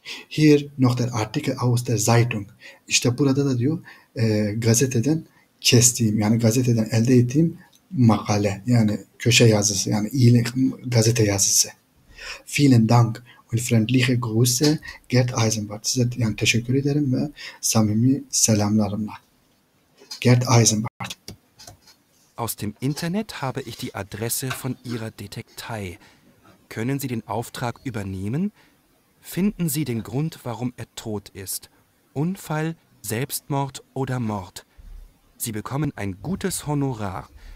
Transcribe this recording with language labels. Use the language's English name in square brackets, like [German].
[German] Hier noch der Artikel aus der Zeitung. [Turkish] İşte burada da diyor gazeteden kestiğim yani gazeteden elde ettiğim makale yani köşe yazısı yani iyi gazete yazısı. [German] Vielen Dank. und freundliche Grüße, Gerd Eisenbart. [Turkish] Yani teşekkür ederim ve samimi selamlarımla. [German] Gerd Eisenbart. Aus dem Internet habe ich die Adresse von Ihrer Detektei. Können Sie den Auftrag übernehmen? Finden Sie den Grund, warum er tot ist. Unfall, Selbstmord oder Mord. Sie bekommen ein gutes Honorar.